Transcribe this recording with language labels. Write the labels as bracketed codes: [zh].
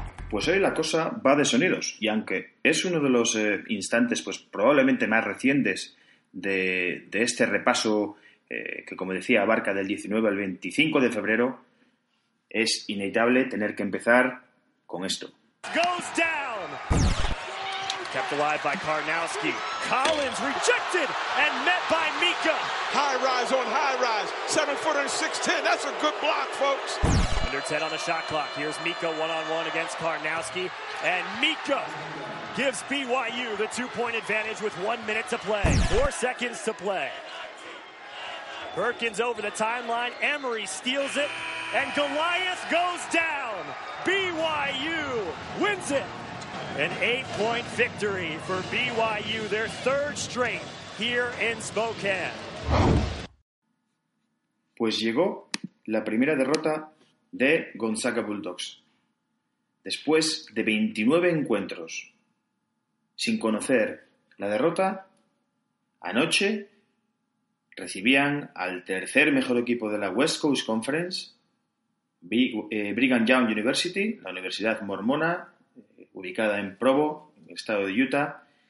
[es] Pues hoy la cosa va de sonidos y aunque es uno de los instantes pues probablemente más recientes de este repaso que como decía abarca del 19 al 25 de febrero, es inevitable tener que empezar con esto. [en] Goes down. Kept alive by Karnowski. Collins rejected and met by Mika. High rise on high rise. 7 footer and 6'10". That's a good block, folks. Under 10 on the shot clock. Here's Mika one-on-one against Karnowski. And Mika gives BYU the two-point advantage with 1 minute to play. 4 seconds to play. Perkins over the timeline. Emery steals it. And Goliath goes down. BYU wins it. An 8-point victory for BYU, their third straight here in Spokane. [es] Pues llegó la primera derrota de Gonzaga Bulldogs. Después de 29 encuentros sin conocer la derrota, anoche recibían al tercer mejor equipo de la West Coast Conference, Brigham Young University, la Universidad Mormona, ubicada en Provo, en el estado de Utah,